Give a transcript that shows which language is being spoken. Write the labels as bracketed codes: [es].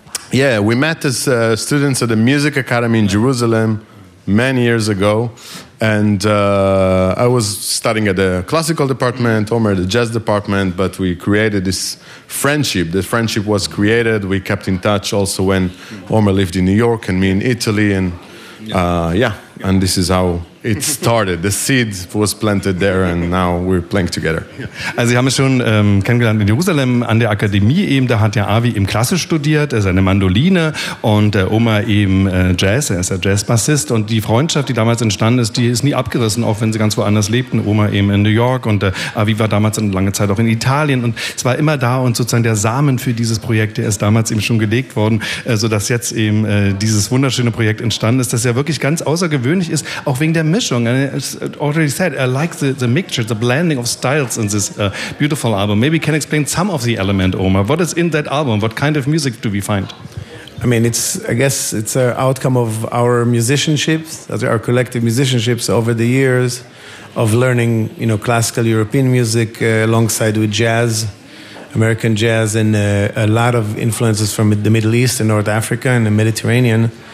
[en] Yeah, we met as students at the Music Academy in Jerusalem many years ago, and I was studying at the classical department, Omer the jazz department, but we created this friendship. The friendship was created. We kept in touch also when Omer lived in New York and me in Italy, and and this is how it started. The seed was planted there and now we're playing together. [de] Also Sie haben es schon kennengelernt in Jerusalem an der Akademie eben. Da hat ja Avi eben klassisch studiert, er ist eine Mandoline und Oma eben Jazz, er ist ja Jazzbassist. Und die Freundschaft, die damals entstanden ist, die ist nie abgerissen, auch wenn sie ganz woanders lebten. Oma eben in New York und Avi war damals eine lange Zeit auch in Italien. Und es war immer da und sozusagen der Samen für dieses Projekt, der ist damals eben schon gelegt worden, sodass jetzt eben dieses wunderschöne Projekt entstanden ist, das ja wirklich ganz außergewöhnlich ist, auch wegen der Mischung. [en] And as already said, I like the mixture, the blending of styles in this beautiful album. Maybe you can explain some of the element, Omer. What is in that album? What kind of music do we find? I mean, it's, I guess it's an outcome of our musicianships, our collective musicianships over the years of learning, you know, classical European music alongside with jazz, American jazz, and a lot of influences from the Middle East and North Africa and the Mediterranean.